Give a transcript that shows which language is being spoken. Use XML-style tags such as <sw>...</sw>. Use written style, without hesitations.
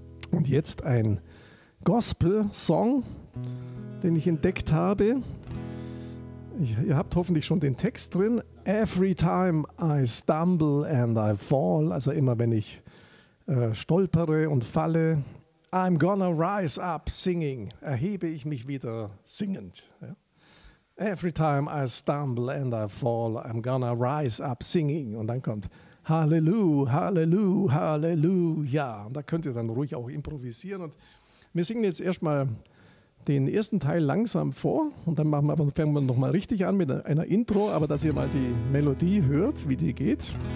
<de>Und jetzt ein Gospel-Song, den ich entdeckt habe. Ihr habt hoffentlich schon den Text drin.</de> <en>Every time I stumble and I fall,</en> <de>also immer wenn ich stolpere und falle,</de> <en>I'm gonna rise up singing,</en> <de>erhebe ich mich wieder singend.</de> <en>Every time I stumble and I fall, I'm gonna rise up singing.</en> <de>Und dann kommt Hallelujah, Hallelujah, Hallelujah. Und da könnt ihr dann ruhig auch improvisieren. Und wir singen jetzt erstmal den ersten Teil langsam vor und dann fangen wir nochmal richtig an mit einer Intro, aber dass ihr mal die Melodie hört, wie die geht.</de>